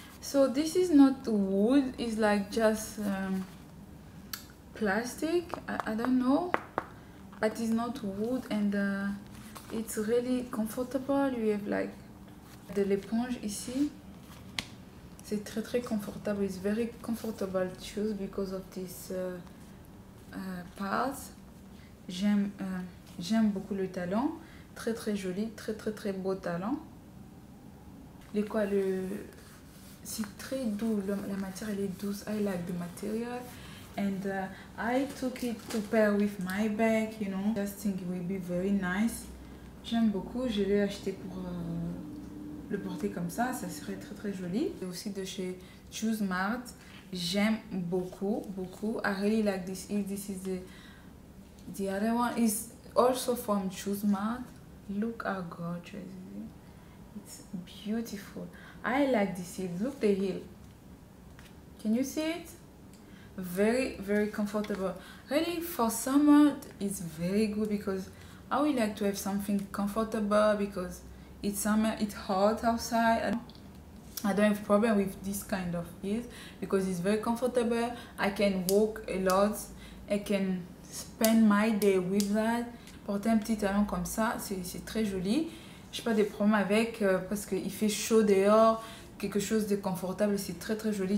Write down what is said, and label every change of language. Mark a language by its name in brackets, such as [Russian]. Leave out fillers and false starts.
[English] So this is not wood, it's like just plastic, I don't know, but it's not wood, and it's really comfortable. You have like the [French] l'éponge ici. C'est très très confortable. [English] It's very comfortable shoes because of this part. [French] J'aime beaucoup le talon. Très très joli, très très très beau talon. Les quoi le c'est très doux, la matière elle est douce. [English] I like the material. And I took it to pair with my bag, you know. Just think it will be very nice. [French] J'aime beaucoup, je l'ai acheté pour le porter comme ça. Ça serait très très joli. Et aussi de chez Choose Mart. J'aime beaucoup, beaucoup. [English] I really like this. This is the other one. It's also from Choose Mart. Look how gorgeous it is. It's beautiful. I like this heel. Look the heel. Can you see it? Very, very comfortable. Really, for summer, it's very good because I would like to have something comfortable because it's summer, it's hot outside. I don't have a problem with this kind of heels because it's very comfortable. I can walk a lot. I can spend my day with that. [French] Porter un petit talon comme ça, c'est très joli. J'ai pas de problème avec parce qu'il fait chaud dehors. Quelque chose de confortable, c'est très très joli.